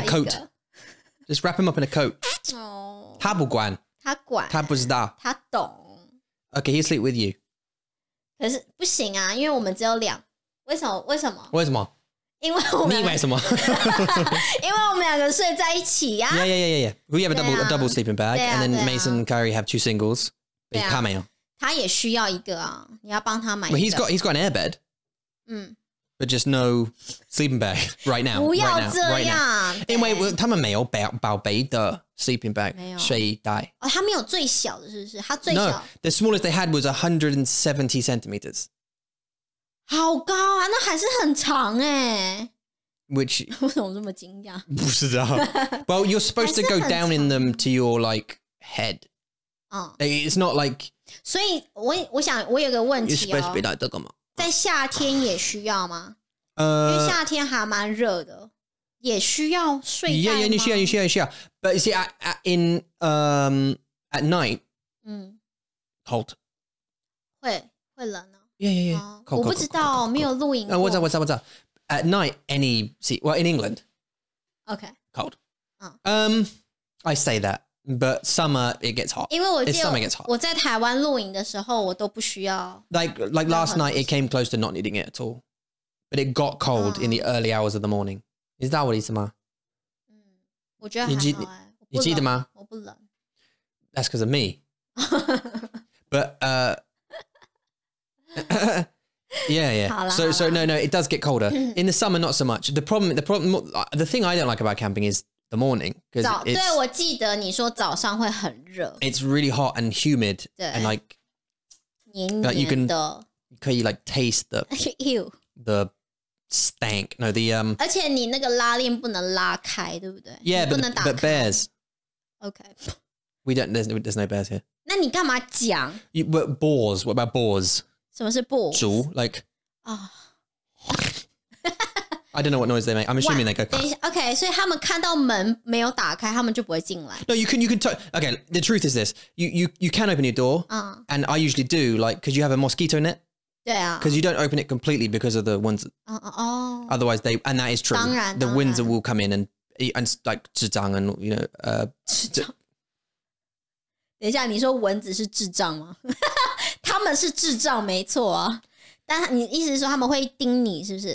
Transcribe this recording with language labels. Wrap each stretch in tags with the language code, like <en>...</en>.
<en>In a coat. Just wrap him up in a coat. Oh.</en> <zh>他不管。他不知道，他懂。</zh> <en>Okay, he sleep with you.</en> <zh>可是不行啊，因为我们只有两。为什么？为什么？为什么？因为我们你为什么？因为我们两个睡在一起啊。</zh> <en>Yeah. We have a double sleeping bag, and then Mason and Kyrie have two singles.</en> <zh>他没有。他也需要一个啊，你要帮他买一个。</zh> <en>He's got an air bed.</en> <zh>嗯。</zh> <en>But just no sleeping bag right now.</en> <zh>不要这样，因为他们没有宝贝的。 Sleeping bag, 睡袋。哦，他没有最小的，是不是？他最小。</zh> <en>No, the smallest they had was 170 centimeters.</en> <zh>好高啊，那还是很长欸。</zh> <en>Which</en> <zh>为什么这么惊讶？</zh> <en>不知道。 Well, you're supposed to go down in them to your like head.</en> <zh>嗯。</zh> <en>It's not like.</en> <zh>所以我想我有个问题哦。</zh> <en>You're supposed to be like 这个吗？</en> <zh>在夏天也需要吗？因为夏天还蛮热的。也需要睡袋吗？</zh> <en>Yeah, you 需要。 But you see, at night, cold.</en> <zh>会冷啊。</zh> <en>Yeah. Cold,</en> <zh>我不知道，没有露营过。</zh> <en>我知道。 At night, in England. Okay. Cold. I say that, but summer, it gets hot.</en> <zh>因为我记得</zh> <en>summer gets hot.</en> <zh>我在台湾露营的时候，我都不需要。</zh> <en>Like last night, it came close to not needing it at all. But it got cold in the early hours of the morning. Is that what it is, ma?</en> <zh>我觉得还好哎。你记得吗？我不冷。</zh> <en>That's because of me. But yeah.</en> <zh>好啦。</zh> <en>So no, it does get colder in the summer, not so much. The thing I don't like about camping is the morning.</en> <zh>早，对，我记得你说早上会很热。</zh> <en>It's really hot and humid.</en> <zh>对。</zh> <en>And like</en> <zh>黏黏的。</zh> <en>You can, 可以 like taste the ew the. Stank. No, the</en> <zh>而且你那个拉链不能拉开，对不对</zh> <en>？Yeah,</en> <zh>不能打开</zh> <en>but bears. Okay. We don't. There's no bears here.</en> <zh>那你干嘛讲</zh> <en>？But boars. What about boars?</en> <zh>什么是 boars? 猪 like.</zh> <en>Oh. I don't know what noise they make. I'm assuming they go.</en> <zh>Okay, so 他们看到门没有打开，他们就不会进来。</zh> <en>No, you can talk. Okay, the truth is this: you can open your door. And I usually do, like, because you have a mosquito net.</en> <zh>对啊，</zh> <en>because you don't open it completely because of the winds. Otherwise, they and that is true.</en> <zh>当然</zh> <en>the winds will come in and like 智障 and you know</en> <zh>智障。等一下，你说蚊子是智障吗？他们是智障，没错啊。但你意思是说他们会叮你，是不是</zh>